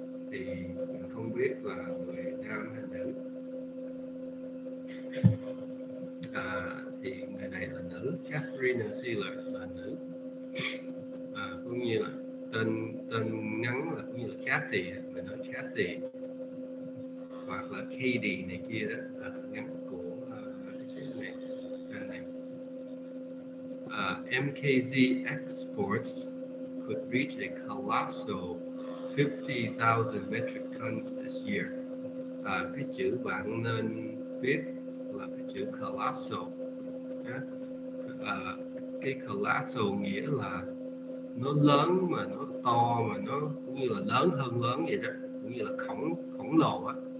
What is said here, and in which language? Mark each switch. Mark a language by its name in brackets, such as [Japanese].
[Vietnamese] Thì mình không biết là người nam hay nữ, thì người này là nữ, Katharina Seeler là nữ, cũng như là tên ngắn là cũng như là Kathy, mình nói Kathy hoặc là Katie này kia đó, là ngắn của cái chữ này. [English] MKZ exports could reach a colossal 50,000 metric tons this year. [Vietnamese] Cái chữ bạn nên viết là cái chữ colossal. Cái colossal nghĩa là nó lớn mà nó to mà nó cũng như là lớn hơn lớn vậy đó, cũng như là khổng lồ á.